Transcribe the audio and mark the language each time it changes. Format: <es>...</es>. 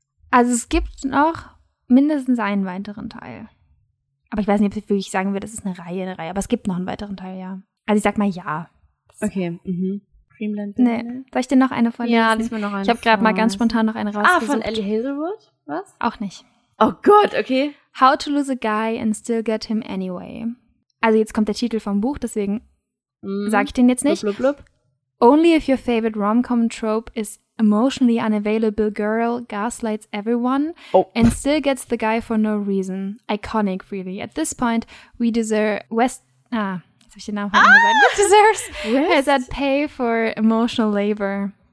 <de>Also es gibt noch mindestens einen weiteren Teil. Aber ich weiß nicht, ob ich wirklich sagen würde, das ist eine Reihe. Aber es gibt noch einen weiteren Teil, ja. Also ich sag mal ja. Okay. Mhm. Dreamland. Nee. Soll ich dir noch eine vorlesen? Ja, lass mir noch eine. Ich habe gerade mal ganz spontan noch eine rausgesucht. Ah, von Ellie Hazelwood? Was? Auch nicht. Oh Gott, okay.</de> <en>How to Lose a Guy and Still Get Him Anyway.</en> <de>Also jetzt kommt der Titel vom Buch, deswegen sag ich den jetzt nicht. Blub, blub, blub.</de> <en>Only if your favorite rom-com trope is emotionally unavailable girl gaslights everyone and still gets the guy for no reason. Iconic, really. At this point, we deserve that pay for emotional labor.</en>